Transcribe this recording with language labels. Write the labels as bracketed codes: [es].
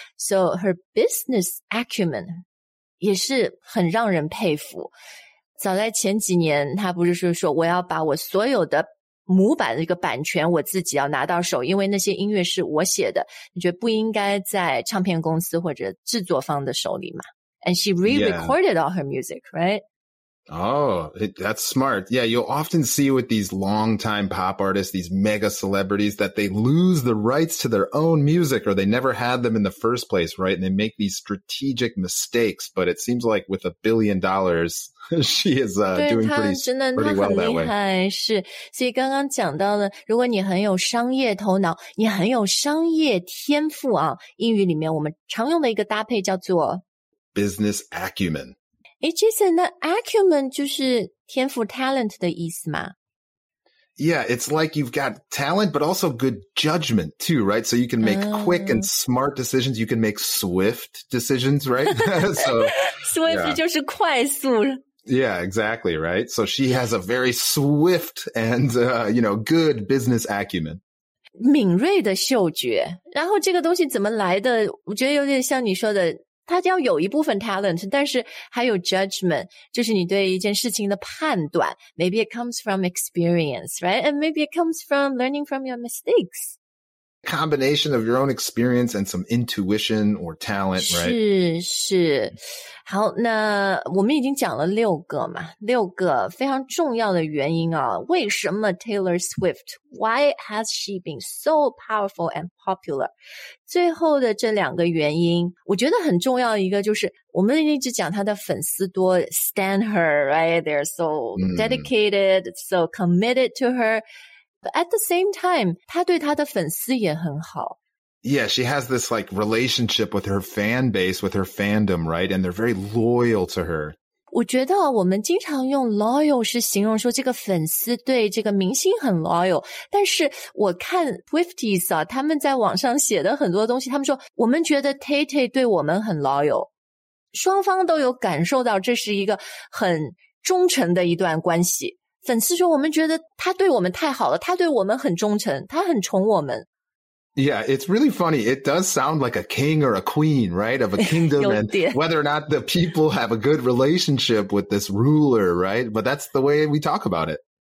[en] So her business acumen, [zh] 也是很让人佩服。早在前几年，他不是说我要把我所有的母版的一个版权我自己要拿到手，因为那些音乐是我写的，你觉得不应该在唱片公司或者制作方的手里吗？ [en] And she re-recorded all her music, right? Oh, that's smart. Yeah, you'll often see with these long-time pop artists, these mega celebrities, that they lose the rights to their own music or they never had them in the first place, right? And they make these strategic mistakes. But it seems like with $1 billion, she is doing pretty well that way. [zh] 是，所以刚刚讲到了，如果你很有商业头脑，你很有商业天赋啊，英语里面我们常用的一个搭配叫做 [en] business acumen. [zh] 诶 Jason, 那 acumen 就是天赋 talent 的意思吗 [en] Yeah, it's like you've got talent, but also good judgment too, right? So you can make quick and smart decisions, you can make swift decisions, right? [zh] So, swift 就是快速 [en] Yeah, exactly, right? So she has a very swift and, you know, good business acumen. [zh] 敏锐的嗅觉然后这个东西怎么来的我觉得有点像你说的他要有一部分 talent, 但是还有 judgment, 就是你对一件事情的判断。 [en] Maybe it comes from experience, right? And maybe it comes from learning from your mistakes. Combination of your own experience and some intuition or talent, right? [zh] 是是。好那我们已经讲了六个嘛六个非常重要的原因啊。为什么 Taylor Swift? [en] Why has she been so powerful and popular? [zh] 最后的这两个原因我觉得很重要一个就是我们一直讲她的粉丝多 [en] stan her, right? They're so dedicated, so committed to her. But at the same time, [zh] 她对她的粉丝也很好。 [en] Yeah, she has this like relationship with her fan base, with her fandom, right? And they're very loyal to her. [zh] 我觉得我们经常用 loyal 是形容说这个粉丝对这个明星很 loyal， 但是我看 Swifties 啊，他们在网上写的很多东西，他们说我们觉得 Tay Tay 对我们很 loyal， 双方都有感受到这是一个很忠诚的一段关系。粉丝说我们觉得他对我们太好了，他对我们很忠诚，他很宠我们。 [en] Yeah, it's really funny. It does sound like a king or a queen, right? Of a kingdom and whether or not the people have a good relationship with this ruler, right? But that's the way we talk about it.